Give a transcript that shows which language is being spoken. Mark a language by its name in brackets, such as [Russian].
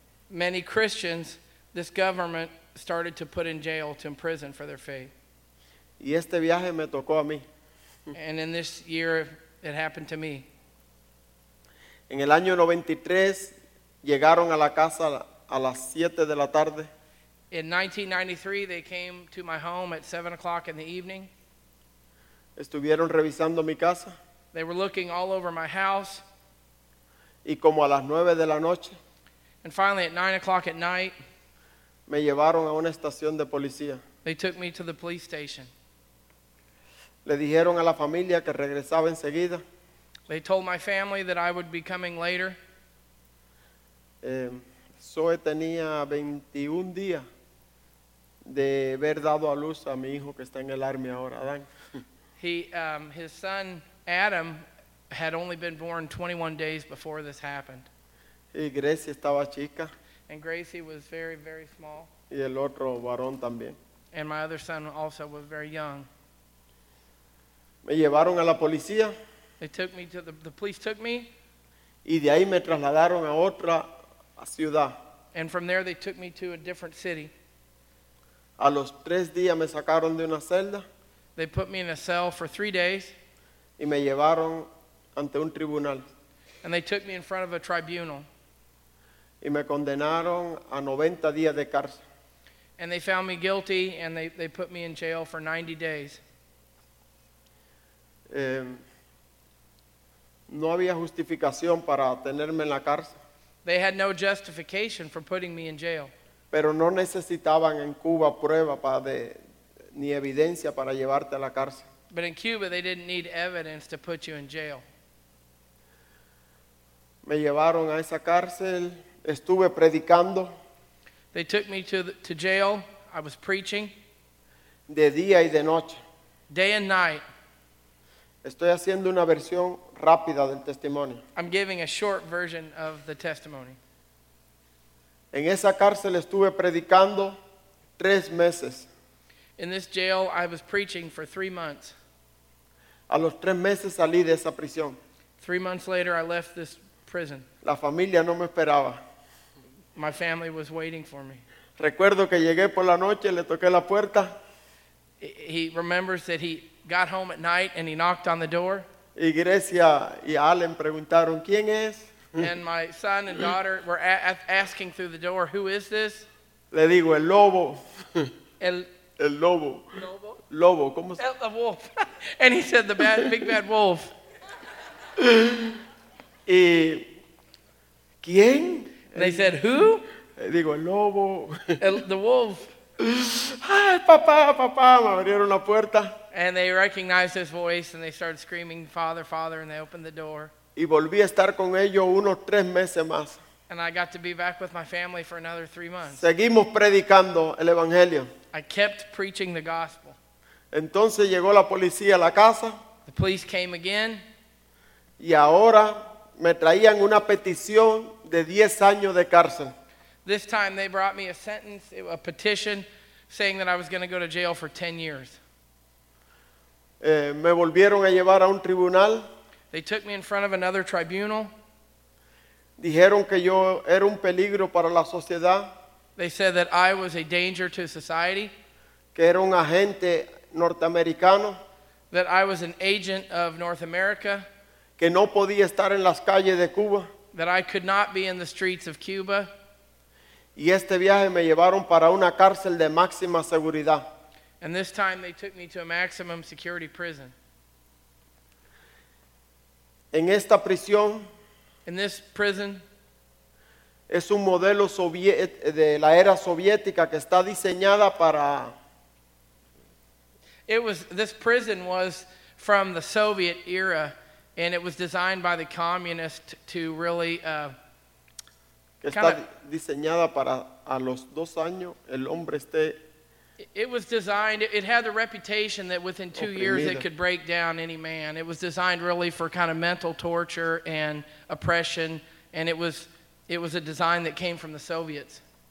[English] Many Christians, this government started to put in jail, to imprison for their faith. [Spanish] Y este viaje me tocó a mí. [English] And in this year, it happened to me. [Spanish] En el año 93, llegaron a la casa a las 7 de la tarde. [English] In 1993, they came to my home at 7 o'clock in the evening. [Spanish] Estuvieron revisando mi casa. [English] They were looking all over my house. [Spanish] Y como a las 9 de la noche. [English] And finally, at 9 o'clock at night, [Spanish] me llevaron a una estación de policía. [English] They took me to the police station. [Spanish] Le dijeron a la familia que regresaba enseguida. [English] They told my family that I would be coming later. [Spanish] Zoe tenía 21 días de haber dado a luz a mi hijo que está en el army ahora, Adán. [English] His son, Adam, had only been born 21 days before this happened. [Spanish] Y Grecia estaba chica. [English] And Gracie was very, very small. [Spanish] Y el otro varón también. [English] And my other son also was very young. [Spanish] Me llevaron a la policía. [English] They took me to the police took me. [Spanish] Y de ahí me trasladaron a otra ciudad. [English] And from there they took me to a different city. [Spanish] A los 3 días me sacaron de una celda. [English] They put me in a cell for 3 days. [Spanish] Y me llevaron ante un tribunal. [English] And they took me in front of a tribunal. [Spanish] Y me condenaron a 90 días de cárcel. [English] And they found me guilty and they put me in jail for 90 days. [Spanish] No había justificación para tenerme en la cárcel. [English] They had no justification for putting me in jail. [Spanish] Pero no necesitaban en Cuba prueba para ni evidencia para llevarte a la cárcel. [English] But in Cuba they didn't need evidence to put you in jail. [Spanish] Me llevaron a esa cárcel. Estuve predicando. [English] They took me to jail. I was preaching. [Spanish] De día y de noche. [English] Day and night. [Spanish] Estoy haciendo una versión rápida del testimonio. [English] I'm giving a short version of the testimony. [Spanish] En esa cárcel estuve predicando 3 meses. [English] In this jail, I was preaching for 3 months. [Spanish] A los 3 meses salí de esa prisión. [English] 3 months later, I left this prison. [Spanish] La familia no me esperaba. [English] My family was waiting for me. [Spanish] Recuerdo que llegué por la noche, le toqué la puerta. [English] He remembers that he got home at night and he knocked on the door. [Spanish] Y Grecia y Allen preguntaron, ¿quién es? [English] And my son and daughter were asking through the door, who is this? [Spanish] Le digo, el lobo. El lobo. Lobo. Lobo, ¿cómo se? [English] The wolf. And he said, the bad, big bad wolf. [Spanish] Y, ¿quién? [English] And they said, who? [Spanish] Digo, el lobo. [English] The wolf. [Spanish] Ay, papá, papá, me abrieron la puerta. [English] And they recognized his voice and they started screaming, Father, Father, and they opened the door. [Spanish] Y volví a estar con ellos unos 3 meses más. [English] And I got to be back with my family for another 3 months. [Spanish] Seguimos predicando el evangelio. [English] I kept preaching the gospel. [Spanish] Entonces llegó la policía a la casa. [English] The police came again. [Spanish] Y ahora me traían una petición de 10 años de cárcel. [English] This time they brought me a sentence, a petition, saying that I was going to go to jail for 10 years. [Spanish] Me volvieron a llevar a un tribunal. [English] They took me in front of another tribunal. [Spanish] Dijeron que yo era un peligro para la sociedad. [English] They said that I was a danger to society. [Spanish] Que era un agente norteamericano. [English] That I was an agent of North America. [Spanish] Que no podía estar en las calles de Cuba. [English] That I could not be in the streets of Cuba. [Spanish] Y este viaje me llevaron para una cárcel de máxima seguridad. [English] And this time they took me to a maximum security prison. [Spanish] En esta prisión. [English] In this prison. [Spanish] Es un modelo de la era soviética que está diseñada para. [English] This prison was from the Soviet era. And it was designed by the communists to really. [Spanish] Que está diseñada para a los 2 años el hombre esté. [English] It was designed, it had the reputation that within 2 years it could break down any man. It was designed really for kind of mental torture and oppression. And it was a design that came from the Soviets.